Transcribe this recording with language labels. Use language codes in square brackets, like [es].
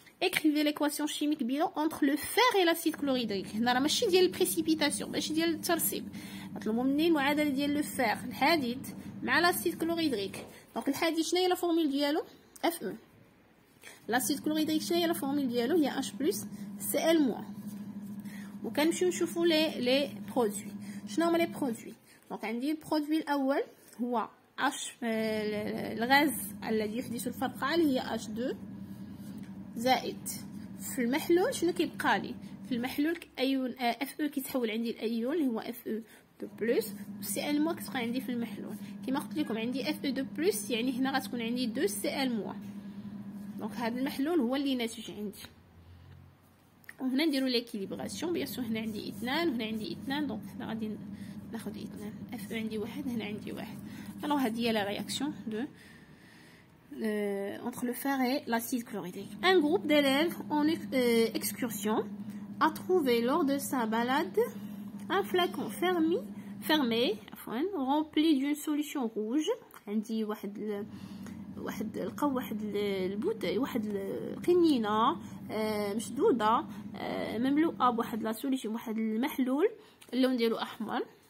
[fr] Écrivez l'équation chimique bilan entre le fer et l'acide chlorhydrique. Nous avons [ar] ماشي ديال précipitation, ماشي ديال التصريب. مطلوبو مني المعادلة ديال لو فير الحديد مع الأسيد كلوريدريك. دونك الحديد شناهي لا فورمول ديالو؟ Fe. الأسيد كلوريدريك شناهي لا فورمول ديالو؟ هي H بلس Cl موان. وكنمشيو نشوفو لي برودوي. شناهو هما لي برودوي؟ دونك عندي البرودوي الأول هو H الغاز الذي يحدث الفرقعة اللي هي H2 زائد في المحلول. شنو كيبقى لي في المحلول؟ ايون اف او كيتحول عندي الايون اللي هو اف او دو بلس، سي ال موان كتبقى عندي في المحلول. كما قلت لكم عندي اف او دو بلس، يعني هنا غتكون عندي دو سي ال موان. دونك هذا المحلول هو اللي ناتج عندي. وهنا نديرو ليكيليبراسيون بيان سو. هنا عندي اثنان وهنا عندي اثنان، دونك هنا غادي ناخذ اثنان. اف او عندي واحد، هنا عندي واحد. الوغ هذه هي لا رياكسيون دو [fr] entre le fer et l'acide chlorhydrique. Un groupe d'élèves en excursion a trouvé lors de sa balade un flacon fermé, enfin, rempli d'une solution rouge. On dit [ar] واحد ال واحد القو واحد البوتي واحد القنينة مشدودة مملوءة بواحد لا سوليسيون واحد المحلول اللون ديالو أحمر.